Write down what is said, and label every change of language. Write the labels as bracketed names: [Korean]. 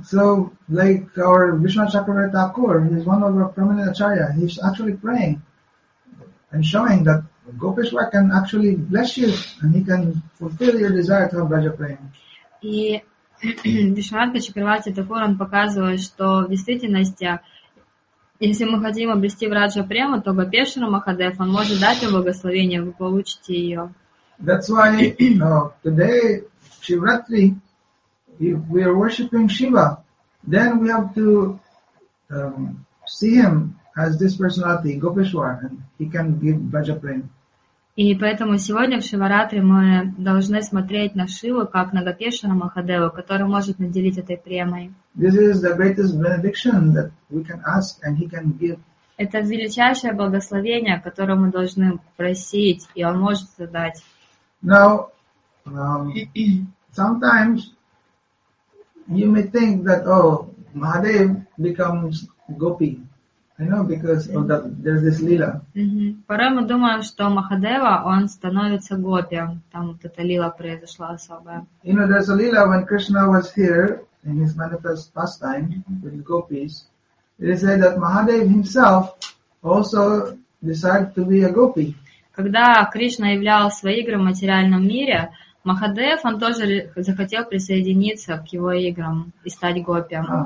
[English] So, like our Vishwanath Chakravarti Thakur, he's one of our prominent acharya. He's actually praying and showing that Gopeshwar can actually bless you and he can fulfill your desire to have Braja Prem. [Russian] И Vishwanath Chakravarti Thakur, он показывает, что в действительности, если мы хотим обрести Враджа Прему, то Гопешвар Махадев, он может дать вам благословение, вы получите ее. [English] That's why today Shivratri, if we are worshipping Shiva, then we have to see him as this personality, Gopeshwar, and he can give Braja Prem. [Russian] И поэтому сегодня в Шиваратри мы должны смотреть на Шиву как на Гопешвара Махадева, который может наделить этой премой. [English] This is the greatest benediction that we can ask and he can give. [Russian] Это величайшее благословение, которое мы должны просить, и он может это дать. [English] Now, sometimes you may think that, oh, Mahadev becomes gopi. I know because of that, there's this lila. Mm-hmm. [Russian] Порой мы думаем, что Махадева, он становится гопи. Там вот эта лила произошла особая. [English] You know, there's a lila when Krishna was here in his manifest pastime with gopis, it is said that Mahadev himself also decided to be a gopi. [Russian] Когда Кришна являл свои игры в материальном мире, Махадев, он тоже захотел присоединиться к его играм и стать гопи.